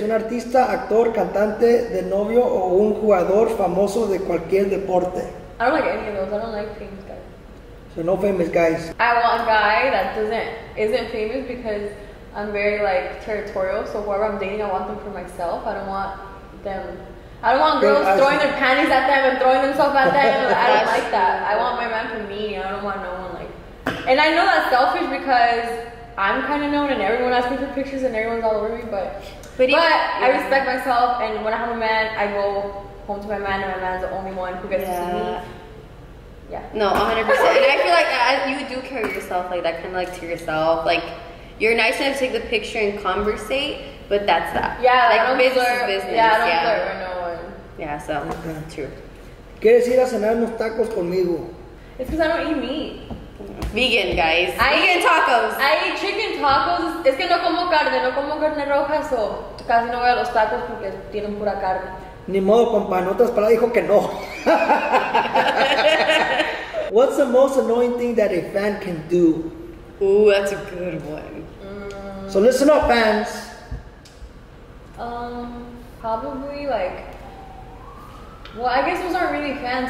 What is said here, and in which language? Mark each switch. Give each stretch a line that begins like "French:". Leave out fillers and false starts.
Spanish: ¿Un artista, actor, cantante, de novio, o un jugador famoso de cualquier deporte?
English: I don't like any of those. I don't like famous guys. So no famous guys. I want a guy that isn't famous because I'm very, like, territorial. So whoever I'm dating, I want them for myself. I don't want them. I don't want girls throwing their panties at them and throwing themselves at them. I don't like that. I want my man for me. I don't want no one, like. And I know that's selfish because I'm kind of known and everyone asks me for pictures and everyone's all over me, but I respect myself, and when I have a man, I go home to my man, and my man's the only one who gets to see me. Yeah. No, 100%. And I feel like you do carry yourself like that, kind of like to yourself. Like, you're nice enough to take the picture and conversate, but that's that. Yeah, like, I don't business flirt. Is business. Yeah, I don't flirt with no one. Yeah, so, true.
Spanish: ¿Quieres ir a cenar unos tacos conmigo?
English: It's because I don't eat meat. Vegan, guys. Vegan tacos. I eat chicken tacos.
Spanish: Es que no como carne roja, so casi no voy a los tacos porque tienen pura carne. Ni modo, compa. En otras palabras, dijo que no.
English: What's the most annoying thing that a fan can do? Ooh, that's a good one. So listen up, fans. Probably, like, well, I guess those aren't really fans.